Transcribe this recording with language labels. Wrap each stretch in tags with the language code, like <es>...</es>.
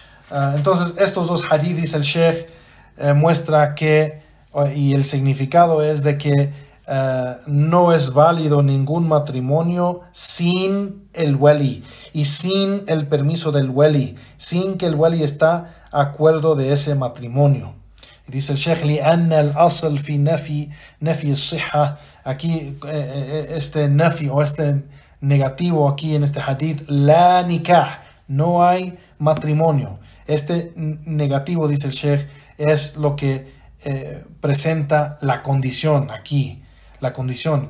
<es>Entonces, estos dos hadiths, el Sheikh muestra que, y el significado es de que no es válido ningún matrimonio sin el wali y sin el permiso del wali, sin que el wali está acuerdo de ese matrimonio. Y dice el Sheikh,</es> <ar>لِأَنَّ الْأَصَلْ فِي نَفِي الصِّحَّةِ.</ar> <es>Aquí este nafi o este negativo aquí en este hadith, la nikah, no hay matrimonio. Este negativo, dice el Sheikh, es lo que presenta la condición aquí. La condición.</es>